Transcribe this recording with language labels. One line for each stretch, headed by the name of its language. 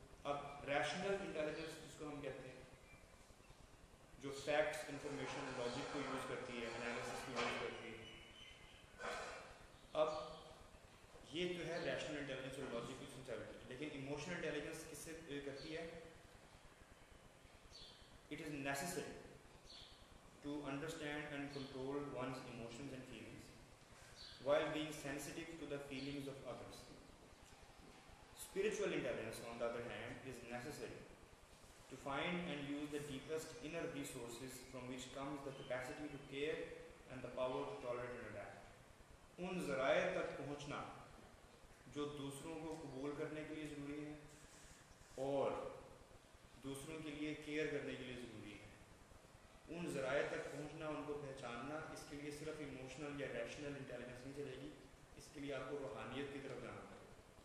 Hindi: अब rational intelligence जिसको हम कहते हैं, जो फैक्ट्स इंफॉर्मेशन लॉजिक को यूज़ करती है, एनालिसिस को यूज़ करती है, अब ये जो है रैशनल इंटेलिजेंस और लॉजिक को संचालित करती है। लेकिन इमोशनल इंटेलिजेंस किससे करती है,
English: It is necessary to understand and control one's emotions and feelings while being sensitive to the feelings of others. Spiritual intelligence, on the other hand, is necessary to find and use the deepest inner resources from which comes the capacity to care and the power to tolerate and adapt.
Hindi: Un zaraye tak pahunchna jo dusron ko qubool karne ke liye zaruri hai aur dusron ke liye care karne ke liye zaruri hai, उन ज़राए तक पहुंचना, उनको पहचानना, इसके लिए सिर्फ emotional या रैशनल इंटेलिजेंस नहीं चलेगी, इसके लिए आपको रूहानियत की तरफ जाना पड़ेगा।